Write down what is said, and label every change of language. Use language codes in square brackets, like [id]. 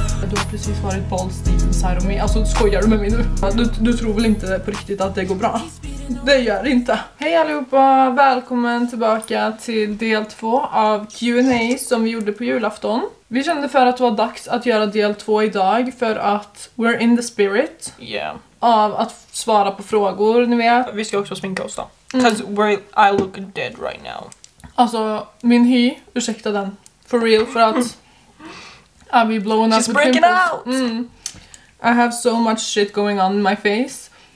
[sv] Du har precis varit på All Stevens här och mig. Alltså, skojar du med mig nu? Du tror väl inte på riktigt att det går bra? Det gör det inte. Hej allihopa, välkommen tillbaka till del 2 av Q&A som vi gjorde på julafton. Vi kände för att det var dags att göra del 2 idag för att [en] we're in the spirit. Yeah. [sv] Av att svara på frågor, ni vet. Vi ska också sminka oss då. [en] Cause I look dead right now. [sv] Alltså, min hy, ursäkta den. [en] For real, [sv] för att... [en] I'll be blowing up. She's breaking out! Mm. I have so much shit going on in my face.